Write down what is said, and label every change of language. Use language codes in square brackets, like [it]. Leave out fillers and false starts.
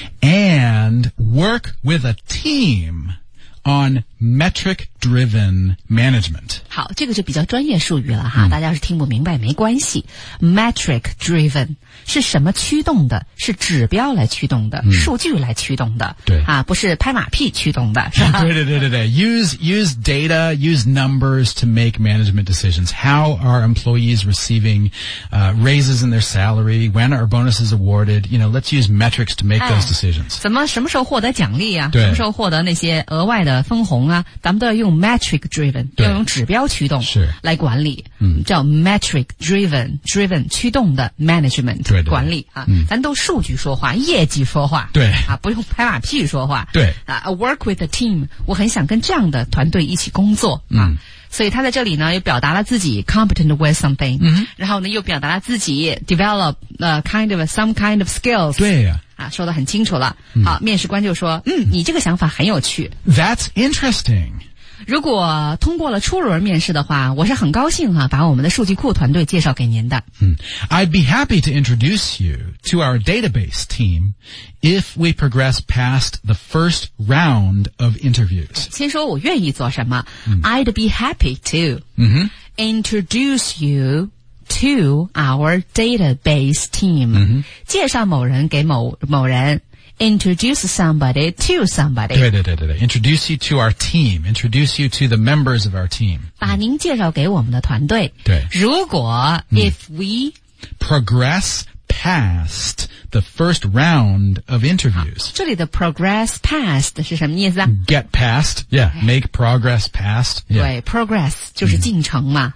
[en] ，and work with a team on metric-driven management。 [zh] 好，这个就比较专业术语了哈，大家要是听不明白没关系。 Metric-driven 是什么驱动的？是指标来驱动的，数据来驱动的。对啊，不是拍马屁驱动的，是吧？对对对对对 [en] ，use data, use numbers to make management decisions. How are employees receiving raises in their salary? When are bonuses awarded? You know, let's use metrics to make those decisions.、 [zh] 哎、怎么什么时候获得奖励啊？什么时候获得那些额外的分红啊？咱们都要用 metric driven, 要用指标驱动来管理、叫 metric driven 驱动的 management 对对对管理、咱都数据说话业绩说话对、不用拍马屁说话对、 [en] work with a team [zh] 我很想跟这样的团队一起工作、所以他在这里呢又表达了自己 [en] competent with something、 [zh] 然后呢又表达了自己 [en] develop some kind of skills [zh] 对呀、说得很清楚了、好面试官就说你这个想法很有趣 [en] That's interesting [zh] 如果通过了初轮面试的话我是很高兴、把我们的数据库团队介绍给您的、 [en] I'd be happy to introduce you to our database team if we progress past the first round of interviews [zh] 先说我愿意做什么、 [en] I'd be happy to、introduce youto our database team、 [zh] 介绍某人给某人 [en] introduce somebody to somebody [zh] 对对对对对 [en] introduce you to our team introduce you to the members of our team [zh] 把您介绍给我们的团队对如果、 [en] if we progress past the first round of interviews [zh] 这里的 progress past 是什么意思、 [en] get past yeah make progress past、 [zh] 对 progress 就是进程嘛、